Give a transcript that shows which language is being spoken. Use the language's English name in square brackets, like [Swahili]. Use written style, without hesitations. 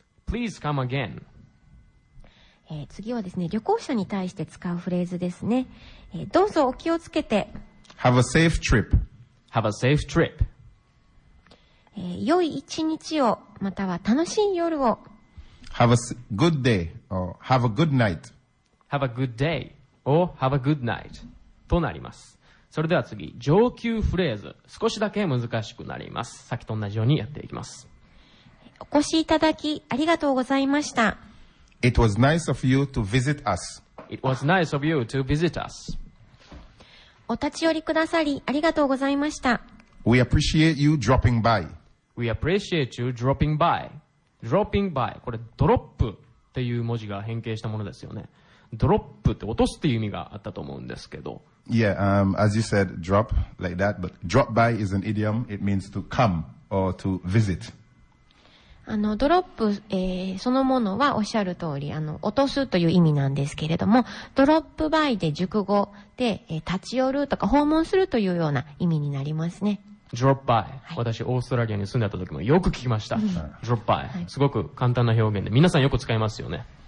[English] Please come again. [Japanese] 次はですね、旅行者に対して使うフレーズですね。どうぞお気をつけて。 [English] Have a safe trip Have a safe trip. [Japanese] 良い一日を、または楽しい夜を。 [English] Have a good day or have a good night. Have a good day or have a good night. [Japanese] となります。それでは次、上級フレーズ。少しだけ難しくなります。さっきと同じようにやっていきます。お越しいただきありがとうございました。 [English] It was nice of you to visit us. It was nice of you to visit us. [Japanese] お立ち寄りくださりありがとうございました。 [English] We appreciate you dropping by. We appreciate you dropping by. Dropping by. [Japanese] これ、ドロップっていう文字が変形したものですよね。ドロップって落とすっていう意味があったと思うんですけど。 [English] Yeah, as you said, drop like that, but drop by is an idiom. It means to come or to visit. [Japanese] ドロップ、そのものはおっしゃる通り、落とすという意味なんですけれども、ドロップバイで熟語、で立ち寄るとか訪問するというような意味になりますね。 Drop by、はい、私オーストラリアに住んでた時もよく聞きました、うん、Drop by、はい、すごく簡単な表現で皆さんよく使いますよね。